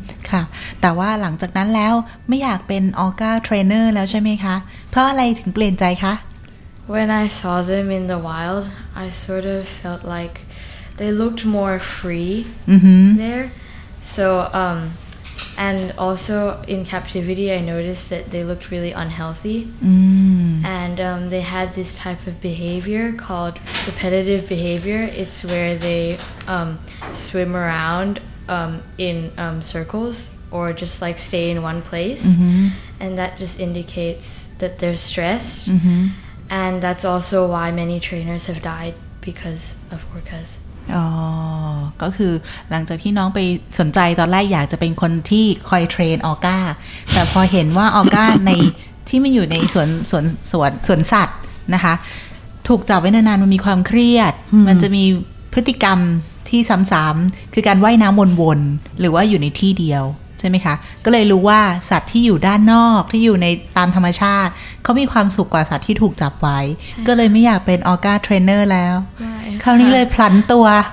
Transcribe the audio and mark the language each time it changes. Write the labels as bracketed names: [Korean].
[Thai] ค่ะแต่ว่าหลังจากนั้นแล้วไม่อยากเป็น orca trainer แล้วใช่ไหมคะเพราะอะไรถึงเปลี่ยนใจคะ [English] when I saw them in the wild I sort of felt like they looked more free there so and also in captivity I noticed that they looked really unhealthy and they had this type of behavior called repetitive behavior it's where they swim around in circles or just like stay in one place and that just indicates that they're stressed and that's also why many trainers have died because of orcas [Thai] อ๋อก็คือหลังจากที่น้องไปสนใจตอนแรกอยากจะเป็นคนที่คอยเทรนออก้าแต่พอเห็นว่าออก้าในที่มันอยู่ในสวนสัตว์นะคะ ถูกจับไว้นานๆมันมีความเครียดมันจะมีพฤติกรรมที่ซ้ำๆคือการว่ายน้ำวนๆหรือว่าอยู่ในที่เดียวใช่ไหมคะก็เลยรู้ว่าสัตว์ที่อยู่ด้านนอกที่อยู่ในตามธรรมชาติเขามีความสุขกว่าสัตว์ที่ถูกจับไว้ก็เลยไม่อยากเป็นออก้าเทรนเนอร์แล้วคราวนี้เลยพลันตัว